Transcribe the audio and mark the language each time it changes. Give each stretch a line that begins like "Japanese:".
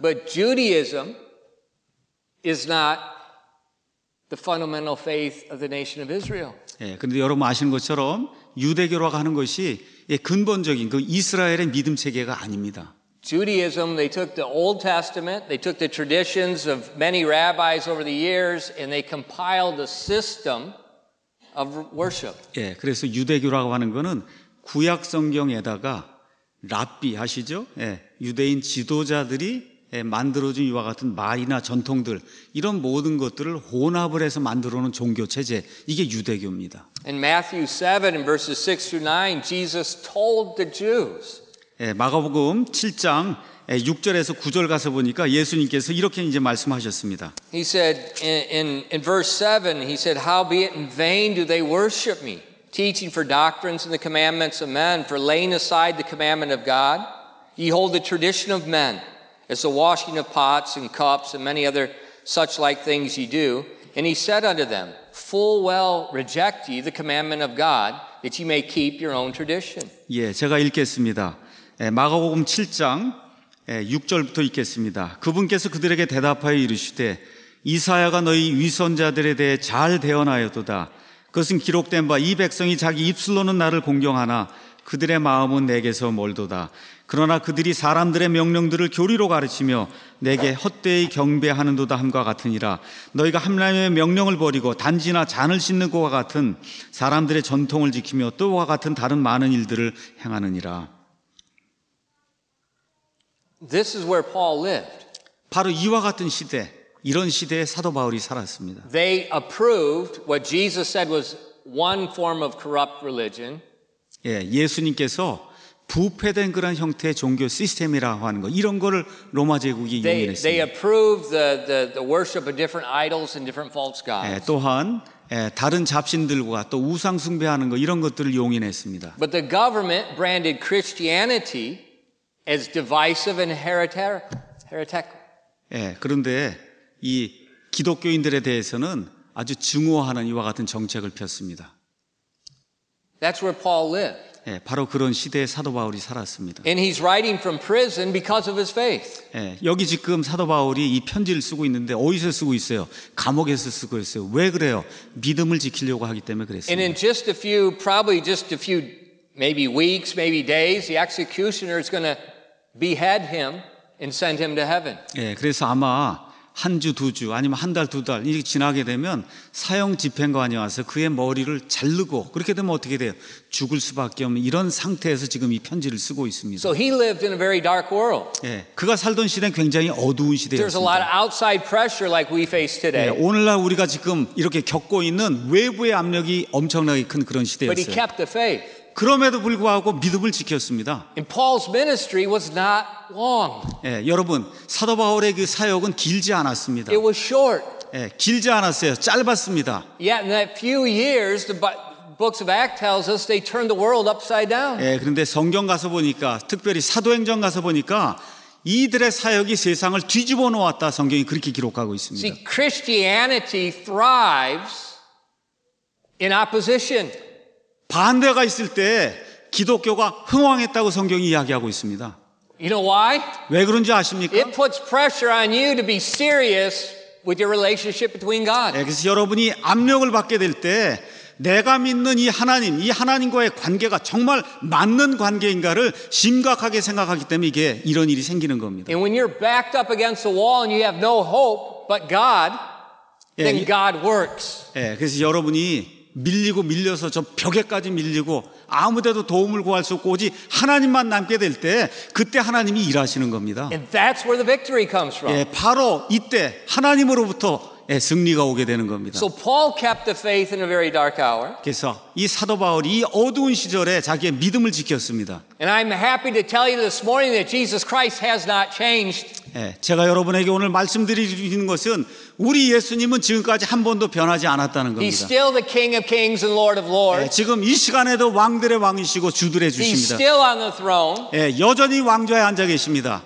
English: But Judaism is not the fundamental faith of the nation of Israel.
Korean: 예, 그런데 여러분 아시는 것처럼 유대교라고 하는 것이 예, 근본적인 그 이스라엘의 믿음 체계가 아닙니다.
English: Judaism, they took the Old Testament, they took the traditions of many rabbis over the years, and they compiled a system of worship.
Korean: 예, 그래서 유대교라고 하는 거는 구약 성경에다가 랍비 아시죠? 예, 유대인 지도자들이 예, 만들어준 이와 같은 말이나 전통들 이런 모든 것들을 혼합을 해서 만들어놓은 종교 체제 이게 유대교입니다.
English: In Matthew 7 in verses 6 through 9, Jesus told the Jews.
Korean: 예, 마가복음 7장 6절에서 9절 가서 보니까 예수님께서 이렇게 이제 말씀하셨습니다.
English: He said in verse 7, he said, "Howbeit in vain do they worship me, teaching for doctrines and the commandments of men, for laying aside the commandment of God. Ye hold the tradition of men, as the washing of pots and cups and many other such like things ye do." And he said unto them, "Full well reject ye the commandment of God, that ye may keep your own tradition."
Korean: 예, 제가 읽겠습니다. 예, 마가복음 7장 예, 6절부터 읽겠습니다. 그분께서 그들에게 대답하여 이르시되 이사야가 너희 위선자들에 대해 잘 대언하였도다. 그것은 기록된 바 이 백성이 자기 입술로는 나를 공경하나 그들의 마음은 내게서 멀도다. 그러나 그들이 사람들의 명령들을 교리로 가르치며 내게 헛되이 경배하는도다 함과 같으니라. 너희가 함람의 명령을 버리고 단지나 잔을 씻는 것과 같은 사람들의 전통을 지키며 또와 같은 다른 많은 일들을 행하느니라.
English: This is where Paul lived.
Korean: 바로 이와 같은 시대, 이런 시대에 사도 바울이 살았습니다.
English: They approved what Jesus said was one form of corrupt religion.
Korean: 예, 예수님께서 부패된 그런 형태의 종교 시스템이라고 하는 거, 이런 거를 로마 제국이 용인했습니다.
English: They approved the worship of different idols and different false gods.
Korean: 예, 또한 예, 다른 잡신들과 또 우상 숭배하는 거 이런 것들을 용인했습니다.
English: But the government branded Christianity as divisive and heretic.
Korean: 예, 그런데 이 기독교인들에 대해서는 아주 증오하는 이와 같은 정책을 폈습니다.
English: That's where Paul lived.
Korean: 예, 바로 그런 시대에 사도 바울이 살았습니다.
English: And he's writing from prison because of his faith.
Korean: 예, 여기 지금 사도 바울이 이 편지를 쓰고 있는데 어디서 쓰고 있어요? 감옥에서 쓰고 있어요. 왜 그래요? 믿음을 지키려고 하기 때문에 그랬습니다.
English: And in just a few, probably just a few maybe weeks, maybe days, the executioner is going to behead him and send him to heaven.
Korean: 예, 그래서 아마 한 주, 두 주, 아니면 한 달, 두 달 이렇게 지나게 되면 사형 집행관이 와서 그의 머리를 자르고 그렇게 되면 어떻게 돼요? 죽을 수밖에 없는 이런 상태에서 지금 이 편지를 쓰고 있습니다.
English: So he lived in a very dark world.
Korean: 예, 그가 살던 시대는 굉장히 어두운 시대였습니다.
English: There's a lot of outside pressure like we face today.
Korean: 예, 오늘날 우리가 지금 이렇게 겪고 있는 외부의 압력이 엄청나게 큰 그런 시대였어요.
English: But he kept the faith.
Korean: 그럼에도 불구하고 믿음을 지켰습니다.
English: And Paul's ministry was not long.
Korean: 예, 여러분 사도 바울의 그 사역은 길지 않았습니다.
English: It was short.
Korean: 예, 길지 않았어요. 짧았습니다.
English: Yet in that few years, the books of Acts tells us they turned the world upside down.
Korean: 예, 그런데 성경 가서 보니까 특별히 사도행전 가서 보니까 이들의 사역이 세상을 뒤집어 놓았다. 성경이 그렇게 기록하고 있습니다.
English: See, Christianity thrives in opposition.
Korean: 반대가 있을 때 기독교가 흥왕했다고 성경이 이야기하고 있습니다.
English: You know why?
Korean: 왜 그런지 아십니까?
English: It puts pressure on you to be serious with your relationship between God.
Korean: 예, 그래서 여러분이 압력을 받게 될 때 내가 믿는 이 하나님과의 관계가 정말 맞는 관계인가를 심각하게 생각하기 때문에 이게 이런 일이 생기는 겁니다.
English: And when you're backed up against the wall and you have no hope but God, then God works.
Korean: 예, 그래서 여러분이 밀리고 밀려서 저 벽에까지 밀리고 아무데도 도움을 구할 수 없고 오직 하나님만 남게 될 때 그때 하나님이 일하시는 겁니다.
English: And that's where the victory comes from.
Korean: 예, 바로 이때 하나님으로부터 승리가 오게 되는 겁니다.
English: So Paul kept the faith in a very dark hour.
Korean: 그래서 이 사도 바울이 이 어두운 시절에 자기의 믿음을 지켰습니다.
English: And I'm happy to tell you this morning that Jesus Christ has not changed.
Korean: 예, 제가 여러분에게 오늘 말씀드리는 것은 우리 예수님은 지금까지 한 번도 변하지 않았다는 겁니다.
English: He's still the King of Kings and Lord of Lords.
Korean: 예, 지금 이 시간에도 왕들의 왕이시고 주들의 주십니다.
English: He's still on the throne.
Korean: 예, 여전히 왕좌에 앉아 계십니다.